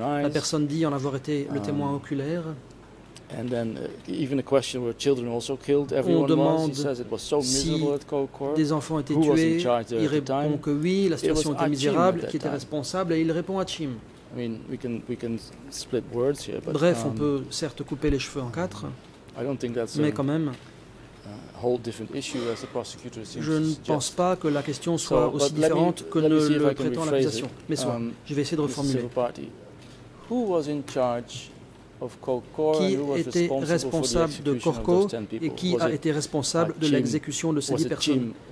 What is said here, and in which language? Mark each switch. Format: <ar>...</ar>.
<fr>La personne dit en avoir été le témoin oculaire.</fr> <en>And then even a question, were children also killed? Everyone was. He says it was so miserable at Cocorps.</en> <fr>Des enfants étaient tués.</fr> <en>Who was in charge there at the time?</en> <fr>Il répond que oui, la situation était misérable, qui était responsable, et il répond à Chim.</fr> <en>I mean, we can split words here, but</en> <fr>bref, on peut certes couper les cheveux en quatre.</fr> <en>I don't think that's</en> <fr>mais quand même,</fr> <en>a whole different issue as the prosecutor seems.</en> <fr>Je ne pense pas que la question soit aussi différente que ne le prétend l'accusation. Mais soit, je vais essayer de reformuler.</fr> <en>Who was in charge?</en> <fr>Qui était responsable de Corcorans et qui a été responsable de l'exécution de ces 10 personnes?</fr>